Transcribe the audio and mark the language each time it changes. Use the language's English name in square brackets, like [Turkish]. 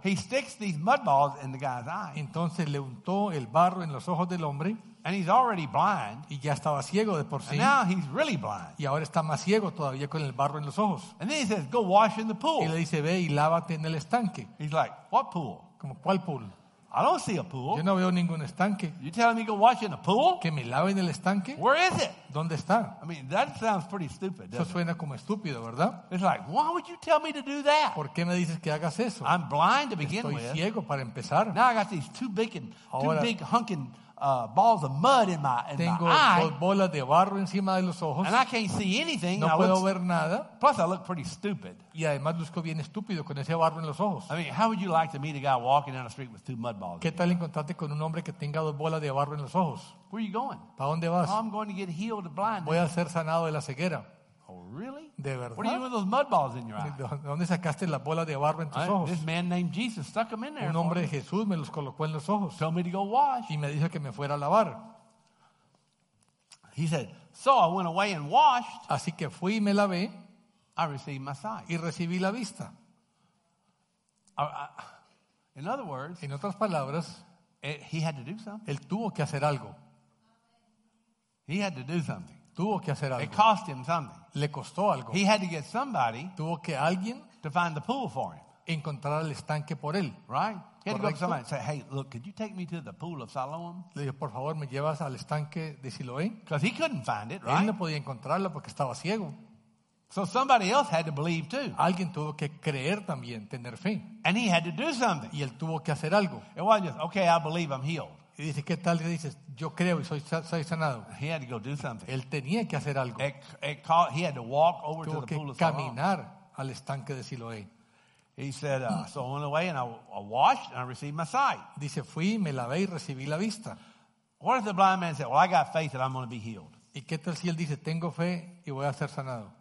[English] He sticks these mud balls in the guy's eye. [Spanish] Entonces le untó el barro en los ojos del hombre. [English] And he's already blind. [Spanish] Y ya estaba ciego de por sí. [English] And now he's really blind. [Spanish] Y ahora está más ciego todavía con el barro en los ojos. [English] And then he says, go wash in the pool. [Spanish] Y le dice, ve y lávate en el estanque. [English] He's like, what pool? [Spanish] Como, ¿cuál pool? [English] I don't see a pool. [Spanish] Yo no veo ningún estanque. [English] You telling me go wash in a pool? [Spanish] Que me lave en el estanque. [English] Where is it? [Spanish] ¿Dónde está? [English] I mean, that sounds pretty stupid, doesn't it? [Spanish] Eso suena como estúpido, ¿verdad? [English] It's like, why would you tell me to do that? [Spanish] ¿Por qué me dices que hagas eso? [English] I'm blind to begin [Spanish] Estoy [English] with. [Spanish] Estoy ciego para empezar. [English] Now I got these two big hunking balls of mud in my eye. [Spanish] Tengo dos bolas de barro encima de los ojos. [English] And I can't see anything. [Spanish] No puedo ver nada. [English] Plus, I look pretty stupid. [Spanish] Y además luzco bien estúpido con ese barro en los ojos. [English] I mean, how would you like to meet a guy walking down the street with two mud balls? [Spanish] ¿Qué tal encontrarte con un hombre que tenga dos bolas de barro en los ojos? [English] Where are you going? [Spanish] ¿Para dónde vas? [English] Oh, I'm going to get healed of blindness. [Spanish] Voy a ser sanado de la ceguera. [English] Oh, really? [Spanish] ¿De verdad? [English] What are you doing with those mud balls in your eye? [Spanish] ¿Dónde sacaste las bolas de barro en tus ojos? [English] This man named Jesus stuck them in there. [Spanish] Un hombre de Jesús me los colocó en los ojos. [English] Told me to go wash. [Spanish] Y me dijo que me fuera a lavar. [English] He said, so I went away and washed. [Spanish] Así que fui y me lavé. [English] I received my sight. [Spanish] Y recibí la vista. [English] In other words, [Spanish] en otras palabras, [English] he had to do something. [Spanish] Él tuvo que hacer algo. [English] He had to do something. [Spanish] Tuvo que hacer algo. [English] It cost him something. [Spanish] Le costó algo. [English] He had to get somebody, [Spanish] tuvo que alguien, [English] to find the pool for him. [Spanish] Encontrar el estanque por él. [English] Right? He had to go to somebody and say, hey, look, could you take me to the pool of Siloam? [Spanish] Le dijo, por favor, ¿me llevas al estanque de Siloé? [English] Because he couldn't find it, right? [Spanish] Él no podía encontrarlo porque estaba ciego. [English] So somebody else had to believe too. [Spanish] Alguien tuvo que creer también, tener fe. [English] And he had to do something. [Spanish] Y él tuvo que hacer algo. [English] It wasn't just, okay, I believe I'm healed. [Spanish] Y dice, ¿qué tal? Y dices, yo creo y soy sanado. [English] He had to go do something. [Spanish] Él tenía que hacer algo. [English] He had to walk over [Spanish] tuvo [English] to the pool of [Spanish] caminar Salón. Al estanque de Siloé. [English] He said, so I went away and I washed and I received my sight. [Spanish] Dice, fui, me lavé y recibí la vista. [English] What if the blind man said, well, I got faith that I'm going to be healed? [Spanish] ¿Y qué tal si él dice, tengo fe y voy a ser sanado?